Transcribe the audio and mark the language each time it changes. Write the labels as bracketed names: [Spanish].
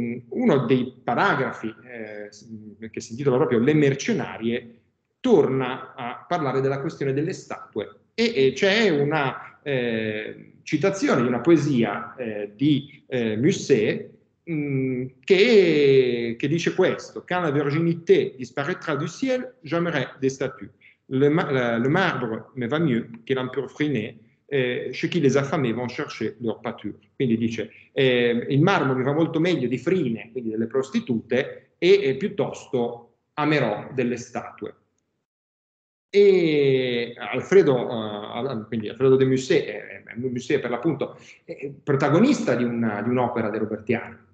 [Italian] Uno dei paragrafi che si intitola proprio Le mercenarie torna a parlare della questione delle statue e c'è una citazione di una poesia di Musset che dice questo: [French] quand la virginité disparaîtra du ciel, j'aimerais des statues. Le marbre me va mieux che l'ampur friné, chez qui les affamés vont chercher leur pâture. [Italian] Quindi dice: il marmo mi va molto meglio di friné, quindi delle prostitute, e piuttosto amerò delle statue. E Alfredo de Musset, Musset per l'appunto, è protagonista di un'opera di Robertiani.